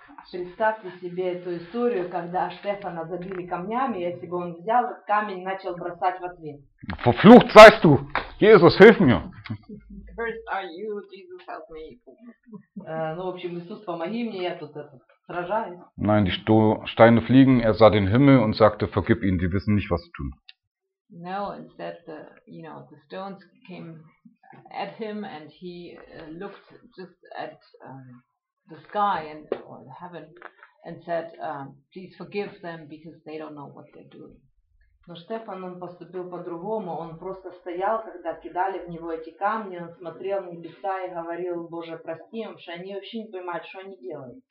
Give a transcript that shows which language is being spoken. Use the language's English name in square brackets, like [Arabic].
[Russian] Представьте себе эту историю, когда Стефана забили камнями, если бы он взял камень и начал бросать в ответ. [German] Verflucht seist du! Jesus, hilf mir! [English] Cursed are you, Jesus, help me! [Russian] Ну, в общем, Иисус, помоги мне, я тут сражаюсь. [German] Nein, die Steine fliegen, er sah den Himmel und sagte, vergib ihnen, die wissen nicht, was sie tun. [English] No, instead, the stones came at him and he looked just at the sky and or the heaven and said, please forgive them because they don't know what they're doing. [Russian] Но Стефан, он поступил по-другому. Он просто стоял, когда кидали в него эти камни, он смотрел на небеса и говорил, Боже, прости им, что они вообще не понимают, что они делают.